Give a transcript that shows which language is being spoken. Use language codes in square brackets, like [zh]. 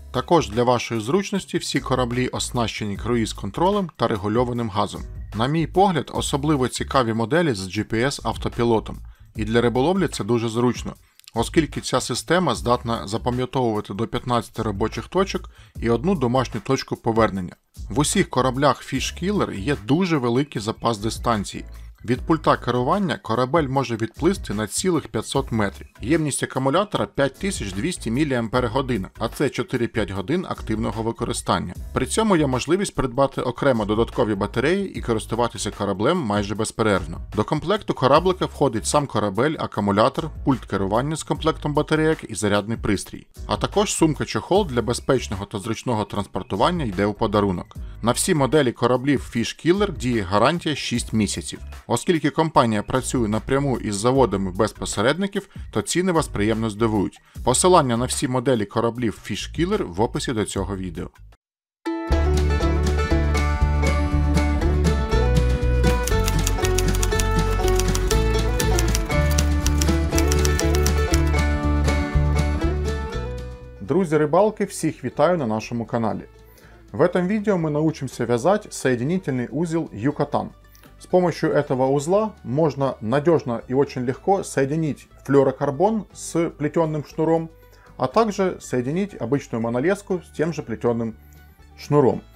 [uk] Також для вашої зручності всі кораблі оснащені круїз-контролем та регульованим газом. На мій погляд, особливо цікаві моделі з GPS-автопілотом. І для риболовлі це дуже зручно, оскільки ця система здатна запам'ятовувати до 15 робочих точок і одну домашню точку повернення. В усіх кораблях FishKiller є дуже великий запас дистанції. Від пульта керування корабель може відплисти на цілих 500 метрів. Ємність акумулятора 5200 мА, а це 4-5 годин активного використання. При цьому є можливість придбати окремо додаткові батареї і користуватися кораблем майже безперервно. До комплекту кораблика входить сам корабель, акумулятор, пульт керування з комплектом батареїк і зарядний пристрій. А також сумка-чохол для безпечного та зручного транспортування йде у подарунок. На всі моделі кораблів FishKiller діє гарантія 6 місяців. Оскільки компанія працює напряму із заводами без посередників, то ціни вас приємно здивують. Посилання на всі моделі кораблів FishKiller в описі до цього відео. Друзі-рибалки, всіх вітаю на нашому каналі. [ru] В этом видео мы научимся вязать соединительный узел Yucatan. С помощью этого узла можно надежно и очень легко соединить флюорокарбон с плетеным шнуром, а также соединить обычную монолеску с тем же плетеным шнуром.